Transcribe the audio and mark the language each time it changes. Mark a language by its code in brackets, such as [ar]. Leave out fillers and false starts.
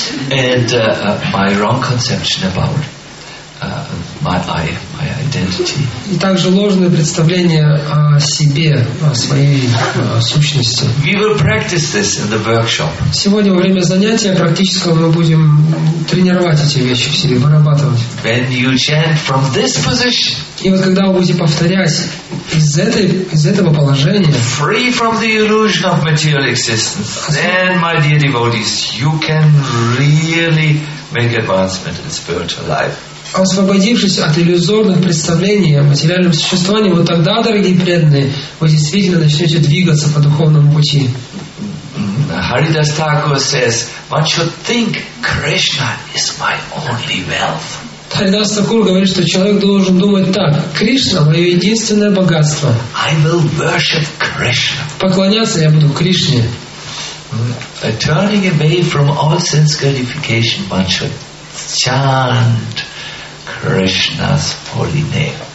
[en] And my wrong conception about my identity. [ru] И также ложное представление о себе, о своей сущности. [en] We will practice this in the workshop. [ru] Сегодня во время занятия практического мы будем тренировать эти вещи в себе, вырабатывать. [en] When you chant from this position. [ru] И вот когда вы будете повторять из этого положения, [en] free from the illusion of material existence, then, my dear devotees, you can really make advancement in spiritual life. [ru] Освободившись от иллюзорных представлений о материальном существовании, вот тогда, дорогие преданные, вы действительно начнете двигаться по духовному пути. [en] Харидас Тхакур says, what you think, Krishna is my only wealth. [ru] Харидас Тхакур говорит, что человек должен думать так: Кришна — мое единственное богатство. [en] I will worship Krishna. [ru] Поклоняться я буду Кришне. [en] Turning away from all sense gratification, one should chant Krishna's holy name.